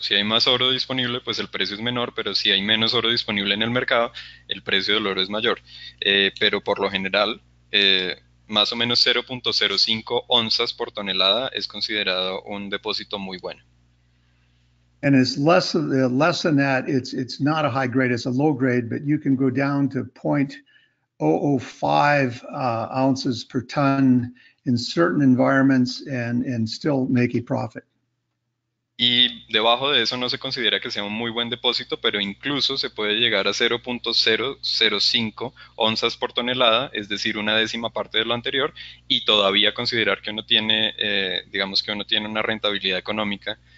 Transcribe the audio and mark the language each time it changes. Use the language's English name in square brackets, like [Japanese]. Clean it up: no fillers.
[Spanish] Si hay más oro disponible, pues el precio es menor, pero si hay menos oro disponible en el mercado, el precio del oro es mayor. Pero por lo general, más o menos 0.05 onzas por tonelada es considerado un depósito muy bueno. [English] And it's less than that. It's not a high grade. It's a low grade. But you can go down to 0.005 ounces per ton in certain environments and still make a profit. [Spanish] Y debajo de eso no se considera que sea un muy buen depósito, pero incluso se puede llegar a 0.005 onzas por tonelada, es decir, una décima parte de lo anterior, y todavía considerar que uno tiene, digamos que uno tiene una rentabilidad económica.